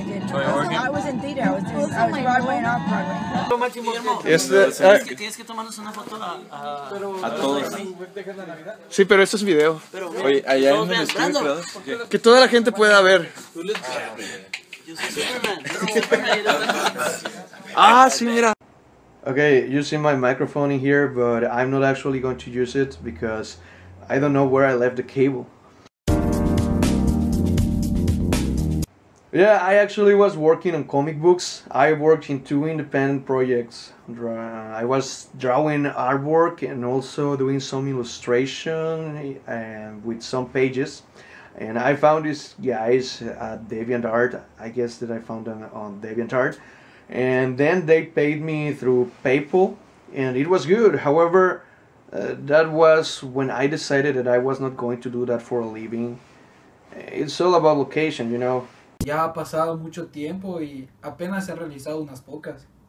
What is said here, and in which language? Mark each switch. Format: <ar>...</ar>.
<en>When I was in theater and I did I was Broadway and off Broadway.</en> <es>Es que tienes que tomarnos una foto a todos. Sí, pero esto es video. Oye, allá en el estudio, que toda la gente pueda ver. Ah, sí, mira.</es> <en>Okay, you see my microphone in here, but I'm not actually going to use it because I don't know where I left the cable. Yeah, I actually was working on comic books. I worked in two independent projects. I was drawing artwork and also doing some illustration and with some pages. And I found these guys at DeviantArt. I guess that I found them on DeviantArt. And then they paid me through PayPal, and it was good. However, that was when I decided that I was not going to do that for a living. It's all about location, you know.</en> <es>Ya ha pasado mucho tiempo y apenas he realizado unas pocas.</es>